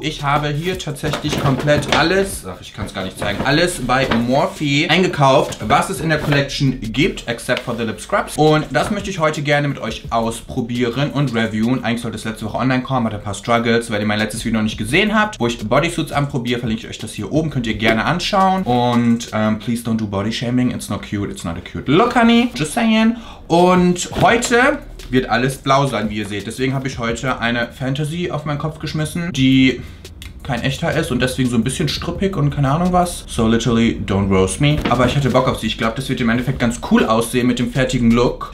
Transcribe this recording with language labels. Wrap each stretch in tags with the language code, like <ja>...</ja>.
<de>Ich habe hier tatsächlich komplett alles, ach, ich kann es gar nicht zeigen, alles bei Morphe eingekauft, was es in der Collection gibt,</de> <en>except for the Lip Scrubs.</en> <de>Und das möchte ich heute gerne mit euch ausprobieren und reviewen. Eigentlich sollte es letzte Woche online kommen, hatte ein paar Struggles, weil ihr mein letztes Video noch nicht gesehen habt, wo ich Bodysuits anprobiere, verlinke ich euch das hier oben, könnt ihr gerne anschauen.</de> <en>Und please don't do body shaming, it's not cute, it's not a cute look, honey. Just saying.</en> <de>Und heute wird alles blau sein, wie ihr seht. Deswegen habe ich heute eine Fantasy auf meinen Kopf geschmissen, die kein echter ist und deswegen so ein bisschen struppig und keine Ahnung was.</de> <en>So literally, don't roast me.</en> <de>Aber ich hatte Bock auf sie. Ich glaube, das wird im Endeffekt ganz cool aussehen mit dem fertigen Look.</de>